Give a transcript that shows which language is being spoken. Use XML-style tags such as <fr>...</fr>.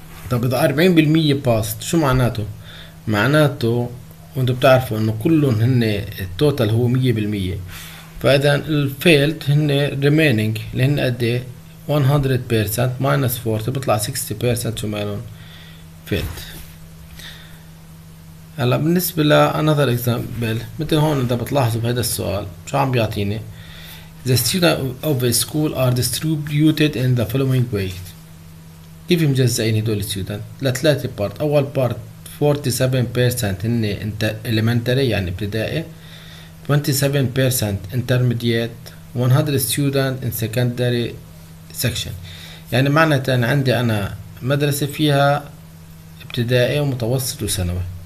<ar>طب اذا 40% باست شو معناته؟ معناته وانتم بتعرفوا انه كلهم هن التوتال هو 100%، فاذا الفيلد هن ريميننج اللي هن قد ايه؟ 100% ماينس 40 بيطلع 60%، شو مالهم؟ فيلد. هلا بالنسبة ل</ar> <en>another example،</en> <ar>مثل هون إذا بتلاحظوا بهيدا السؤال شو عم بيعطيني؟</ar> <en>The students of a school are distributed in the following way.</en> <ar>كيف مجزئين هدول الستودنت؟ لثلاثة بارت، أول بارت 47% هن انت elementary يعني ابتدائي، 27% intermediate،</ar> <en>100 student in secondary section.</en> <ar>يعني معنى تاني عندي أنا مدرسة فيها ابتدائي ومتوسط وثانوي.</ar>